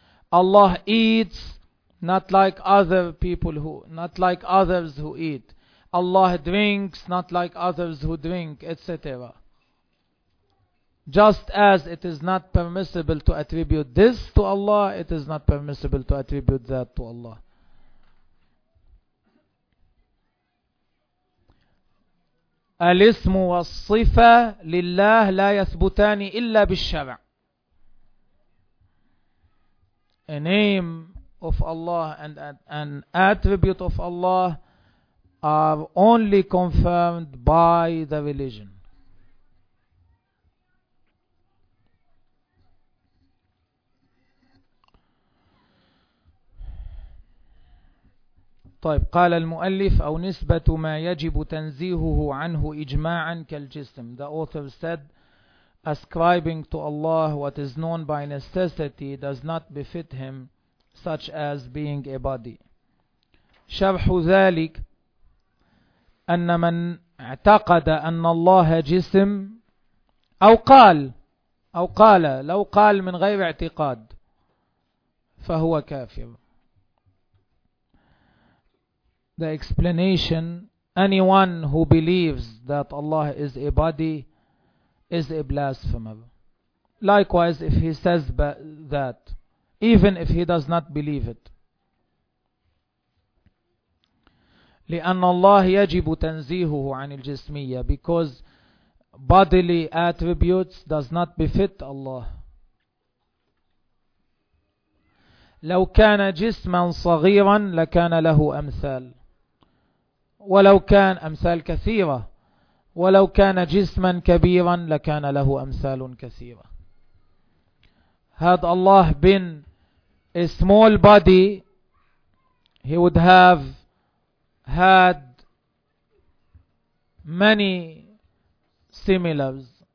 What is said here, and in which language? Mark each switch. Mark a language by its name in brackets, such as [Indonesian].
[English] Allah eats not like other people who, not like others who eat. Allah drinks not like others who drink, etc. Just as it is not permissible to attribute this to Allah, it is not permissible to attribute that to Allah. [Arabic] الاسم والصفة لله لا يثبتان إلا بالشرع. [English] A name of Allah and an attribute of Allah are only confirmed by the religion. [Arabic] طيب قال المؤلف أو نسبة ما يجب تنزيهه عنه إجماعا كالجسم. [English] The author said, ascribing to Allah what is known by necessity does not befit him, such as being a body. [Arabic] شرح ذلك أن من اعتقد أن الله جسم أو قال لو قال من غير اعتقاد فهو كافر. [English] The explanation, anyone who believes that Allah is a body is a blasphemer. Likewise, if he says that, even if he does not believe it. [Arabic] لِأَنَّ اللَّهِ يَجِبُ تَنْزِيهُهُ عَنِ الْجِسْمِيَّةِ. [English] Because bodily attributes does not befit Allah. [Arabic] لَوْ كَانَ جِسْمًا صَغِيرًا لَكَانَ لَهُ أَمْثَالٌ. ولو كان أمثال كثيرة ولو كان جسما كبيرا لكان له أمثال كثيرة. [English] Had Allah been a small body, he would have had many similars.